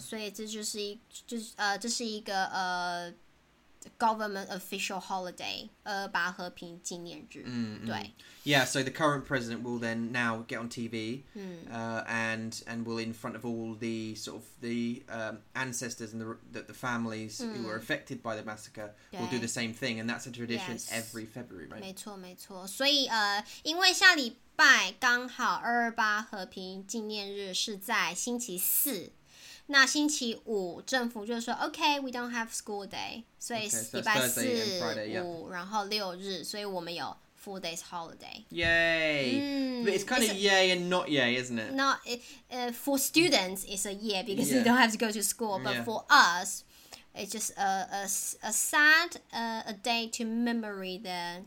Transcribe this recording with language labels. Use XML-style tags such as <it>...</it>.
<zh>所以这是一个</zh> <en>Government official holiday,</en> <zh>二八和平纪念日。对。</zh> <en>Yeah, so the current president will then now get on TV, and will in front of all the sort of the ancestors and the families who were affected by the massacre will do the same thing, and that's a tradition every February, right?</en> <zh>没错，没错。所以因为下礼拜刚好二八和平纪念日是在星期四。那星期五政府就说</zh> <en>OK, we don't have school day.</en> <zh>所以礼拜四</zh> <en>Friday,</en> <zh>五然后六日所以我们有 4th</zh> <en>4 days holiday. Yay. Mm, but it's kind of yay and not yay, isn't it? Not, for students, it's a yay because you don't have to go to school. But for us, it's just a sad day to memory their...</en>